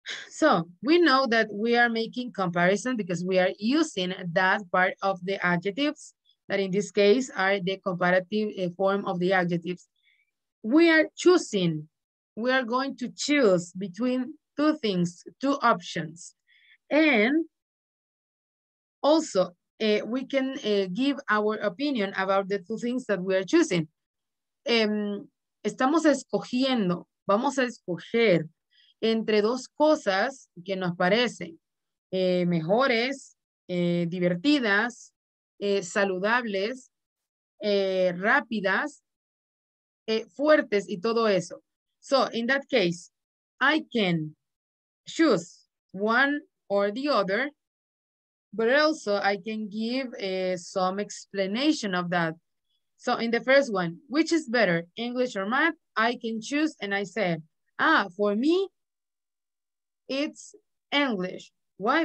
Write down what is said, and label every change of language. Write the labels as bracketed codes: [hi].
[en] So we know that we are making comparison because we are using that part of the adjectives that in this case are the comparative form of the adjectives. We are choosing, we are going to choose between two things, two options. And also we can give our opinion about the two things that we are choosing. [es] Estamos escogiendo, vamos a escoger entre dos cosas que nos parecen mejores, divertidas, saludables, rápidas, fuertes y todo eso. [en] So in that case, I can choose one or the other, but also I can give some explanation of that. So in the first one, which is better, English or math? I can choose and I say, for me, it's English. Why?